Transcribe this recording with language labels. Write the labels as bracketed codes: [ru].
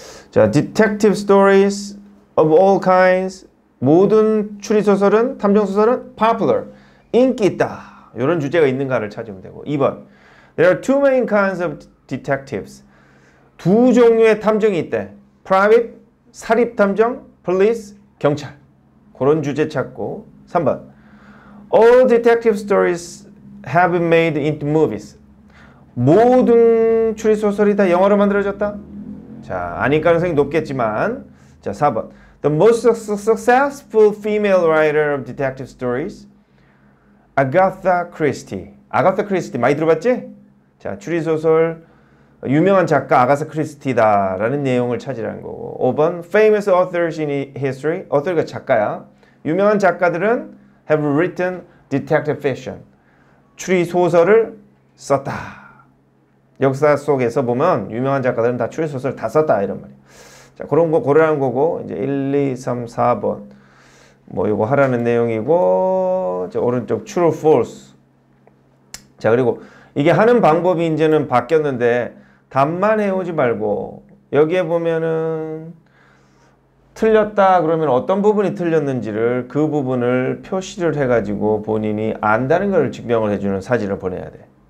[en] 자, detective stories of all kinds. [ko] 모든 추리 소설은, 탐정 소설은 popular. 인기 있다. 이런 주제가 있는가를 찾으면 되고. 2번. [en] There are two main kinds of detectives. [ko] 두 종류의 탐정이 있대. Private, 사립 탐정, police, 경찰. 그런 주제 찾고. 3번. [en] All detective stories have been made into movies. [ko] 모든 추리 소설이 다 영화로 만들어졌다? 자, 아닐 가능성이 높겠지만. 자, 4번. [en] The most successful female writer of detective stories. Agatha Christie. [ko] Agatha Christie 많이 들어봤지? 자, 추리소설 유명한 작가 아가사 크리스티다 라는 내용을 찾으라는 거고. [en] 5번 Famous authors in history. [ko] 어떨까, 작가야. 유명한 작가들은 [en] have written detective fiction. [ko] 추리소설을 썼다. 역사 속에서 보면 유명한 작가들은 다 추리소설 다 썼다 이런 말이야. 자, 그런 거 고르라는 거고. 이제 1, 2, 3, 4번 뭐 이거 하라는 내용이고. 자, 오른쪽 true false. 자, 그리고 이게 하는 방법이 이제는 바뀌었는데 답만 해오지 말고 여기에 보면은 틀렸다 그러면 어떤 부분이 틀렸는지를 그 부분을 표시를 해가지고 본인이 안다는 걸 증명을 해주는 사진을 보내야 돼.